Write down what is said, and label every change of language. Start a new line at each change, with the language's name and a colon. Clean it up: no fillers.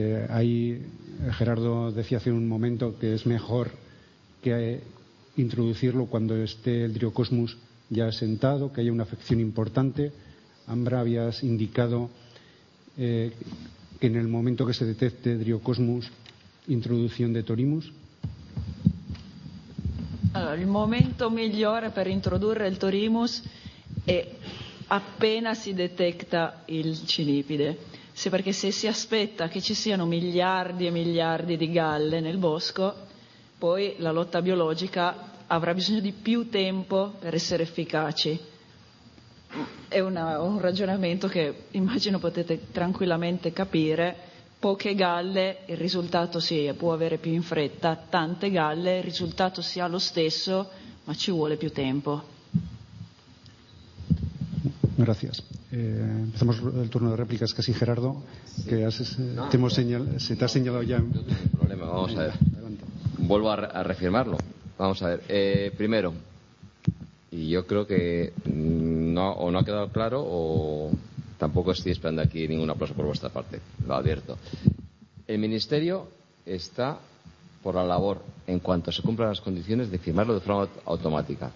Spanish: Ahí Gerardo decía hace un momento que es mejor que introducirlo cuando esté el Dryocosmus ya asentado, que haya una afección importante. Ambra, habías indicado que en el momento que se detecte Dryocosmus, introducción de Torimus.
Italian: Allora, il momento migliore per introdurre il Torimus è appena si detecta il cinipide. Sì, perché se si aspetta che ci siano miliardi e miliardi di galle nel bosco, poi la lotta biologica avrà bisogno di più tempo per essere efficaci. È un ragionamento che immagino potete tranquillamente capire. Poche galle, il risultato si può avere più in fretta. Tante galle, il risultato si ha lo stesso, ma ci vuole più tempo. Grazie. Iniziamo il turno di replica, quasi Gerardo, che se ti ha segnalato già. Non c'è problema,
Spanish: vamos a ver. Vuelvo a reafirmarlo. Vamos a ver. Primero, y yo creo que no ha quedado claro o tampoco estoy esperando aquí ningún aplauso por vuestra parte, lo advierto. El Ministerio está por la labor, en cuanto se cumplan las condiciones, de firmarlo de forma automática.